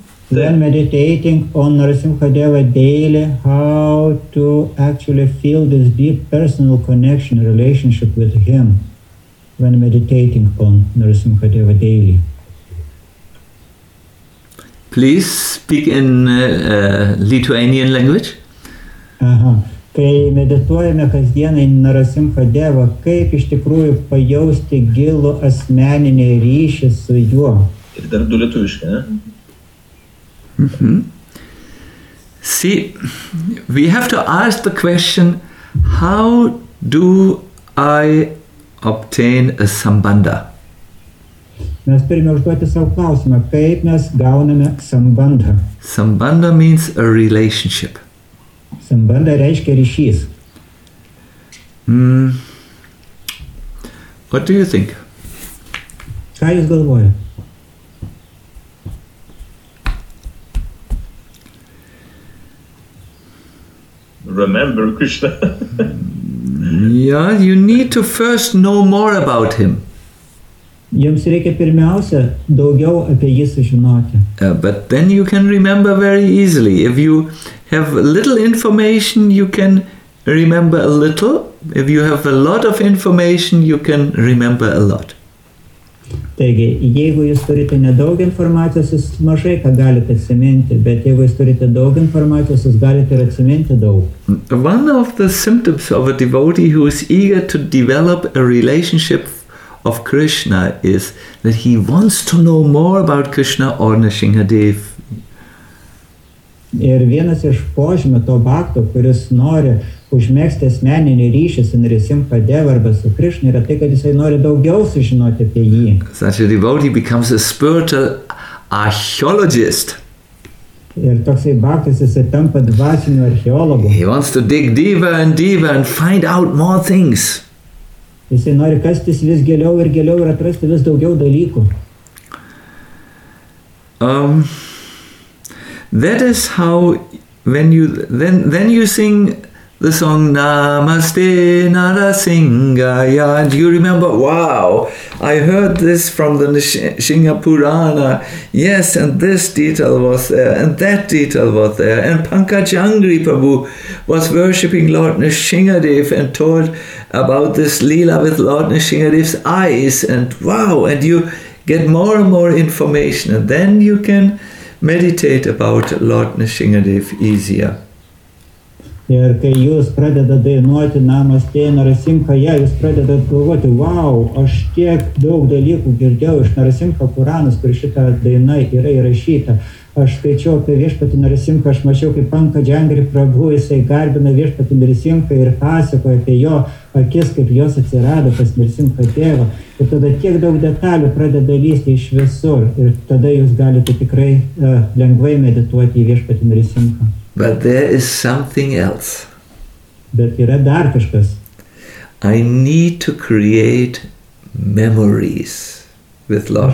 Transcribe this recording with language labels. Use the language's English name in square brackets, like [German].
[English] When meditating on Nrisimhadeva daily, how to actually feel this deep personal connection, relationship with him when meditating on Nrisimhadeva daily? Please speak in Lithuanian language. [Lithuanian] Kai medituojame kasdieną į Nrisimhadevą, kaip iš tikrųjų pajausti gilų asmeninį ryšį su juo? Ir dar du lietuviškai, ne? [English] See, we have to ask the question, how do I obtain a sambandha? [Lithuanian] Mes turime užduoti savo klausimą, kaip mes gauname sambandą. [English] Sambanda means a relationship. [Lithuanian] Sambanda reiškia ryšys. [English] What do you think? [Lithuanian] Ką jūs galvojate? [English] Remember Krishna. Yeah, you need to first know more about him. [Lithuanian] Jums reikia pirmiausia daugiau apie jį sužinoti. [English] But then you can remember very easily. If you have little information, you can remember a little. If you have a lot of information, you can remember a lot. [Lithuanian] Taigi, jeigu jūs turite nedaug informacijos, jūs mažai ką galite atsiminti, bet jeigu jūs turite daug informacijos, jūs galite ir atsiminti daug. [English] One of the symptoms of a devotee who is eager to develop a relationship of Krishna is that he wants to know more about Krishna or Nrisimhadev. [Lithuanian] Ir vienas iš požymių to bhakto, kuris nori užmėgsti asmeninį ryšį su Nrisimhadev arba su Krishna, yra tai, kad jisai nori daugiau sužinoti apie jį. [English] Such a devotee becomes a spiritual archaeologist. [Lithuanian] Ir toksai bhaktas jisai tampa dvasiniu archeologu. [English] He wants to dig deeper and deeper and find out more things. [Lithuanian] Jisai nori kastis vis giliau ir giliau ir atrasti vis daugiau dalykų. [English] That is how when you then you sing the song Namaste Narasingaya and you remember, wow, I heard this from the Nrisimha Purana, yes, and this detail was there and that detail was there and Pankajangri Prabhu was worshipping Lord Nrisimhadev and told about this Leela with Lord Nrisimhadev's eyes and wow, and you get more and more information and then you can meditate about Lord Nrisimhadev easier. [Lithuanian] Ir kai jūs pradeda dainuoti Namaste Narasimhaya, jūs pradeda galvoti, wow, aš tiek daug dalykų girdėjau iš Narasimha Puranas, kur šita daina yra įrašyta. Aš skaičiau apie viešpatį Narasimha, aš mačiau, kaip Pankajangri Prabhu, jisai garbina viešpatį Narasimha ir pasakoja apie jo akis, kaip jos atsirado pas Narasimha tėvą. Ir tada tiek daug detalių pradeda lysti iš visur ir tada jūs galite tikrai lengvai medituoti į viešpatį Narasimha. [English] But there is something else. [Lithuanian] Bet yra dar kažkas. [English] I need to create memories with Lord